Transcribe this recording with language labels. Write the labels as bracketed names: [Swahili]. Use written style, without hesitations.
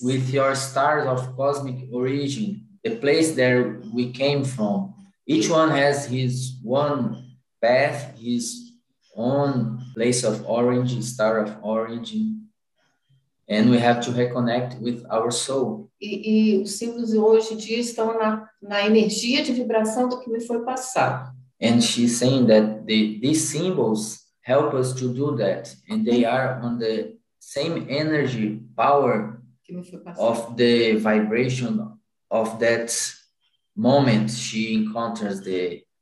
[English] With your stars of cosmic origin, the place that we came from. Each one has his one path, his own place of origin, star of origin. And we have to reconnect with our soul. [Portuguese] E os símbolos de hoje em dia estão na energia de vibração do que me foi passado. [English] And she's saying that these symbols help us to do that. And they are on the same energy, power, of the vibration of that moment she encounters the